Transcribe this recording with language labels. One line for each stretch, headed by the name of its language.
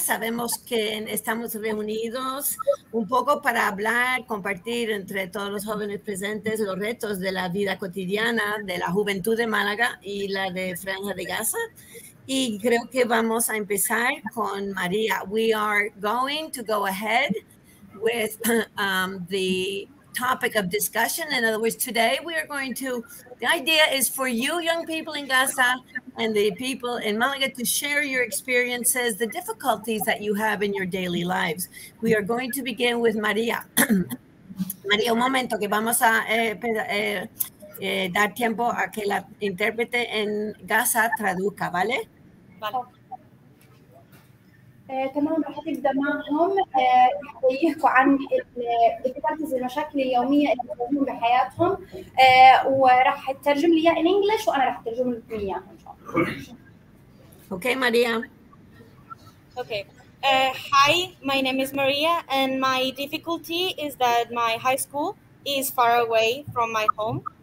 Spanish: Sabemos que estamos reunidos un poco para hablar, compartir entre todos los jóvenes presentes los retos de la vida cotidiana de la juventud de Málaga y la de Franja de Gaza. Y creo que vamos a empezar con María.
English: We are going to go ahead with the topic of discussion. In other words, today we are going to, the idea is for you young people in Gaza and the people in Malaga to share your experiences, the difficulties that you have in your daily lives. We are going to begin with María.
Spanish: María, un momento, que vamos a dar tiempo a que la intérprete en Gaza traduzca, ¿vale? Vale.
Arabic: تمام رح تبدا معهم يحكوا عن
English: الديفيكولتيز
Arabic: المشاكل اليومية اللي بيواجهوهم بحياتهم وراح تترجم لي اياها
English: in English
Arabic: وانا راح اترجم لكم اياها ان شاء الله. اوكي ماريا.
English: Okay. Hi, my name is Maria and my difficulty is that my high school is far away from my home.